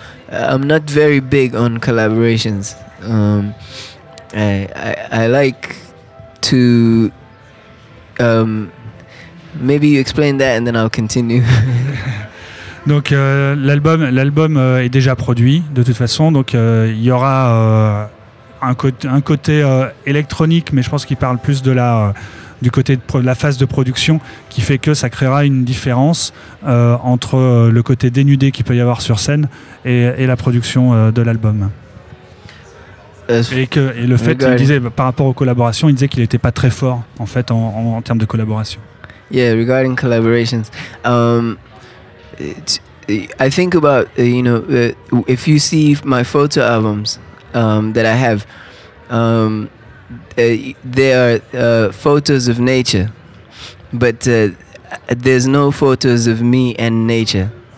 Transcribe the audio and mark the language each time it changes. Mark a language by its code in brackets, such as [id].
[en] I'm not very big on collaborations. I like to, maybe you explain that and then I'll continue. [fr] Donc l'album est déjà produit de toute façon, donc il y aura un côté électronique, mais je pense qu'il parle plus de la du côté de la phase de production, qui fait que ça créera une différence entre le côté dénudé qu'il peut y avoir sur scène et la production de l'album. Il disait, par rapport aux collaborations, il disait qu'il n'était pas très fort en fait en termes de collaboration. [en] Yeah, regarding collaborations, I think about, you know, if you see my photo albums that I have, there are photos of nature, but there's no photos of me and nature.